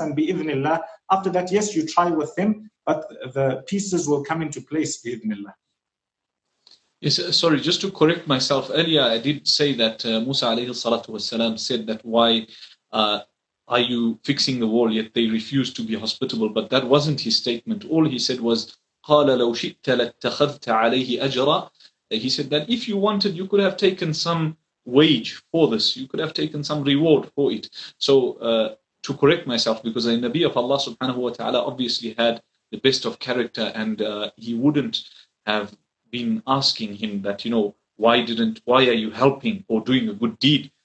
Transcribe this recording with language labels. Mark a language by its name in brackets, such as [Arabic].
[English] And bi-ithnillah, after that, yes, you try with them, but the pieces will come into place, bi-ithnillah. Yes, sorry, just to correct myself, earlier I did say that Musa alayhi salatu wasalam said that why are you fixing the wall yet they refuse to be hospitable, but that wasn't his statement. All he said was, [Arabic] قَالَ لَوْ شِئْتَ لَاتَّخَذْتَ عَلَيْهِ أَجْرًا. [English] He said that if you wanted, you could have taken some wage for this, you could have taken some reward for it. So to correct myself, because the Nabi of Allah subhanahu wa ta'ala obviously had the best of character, and he wouldn't have been asking him that, you know, why are you helping or doing a good deed?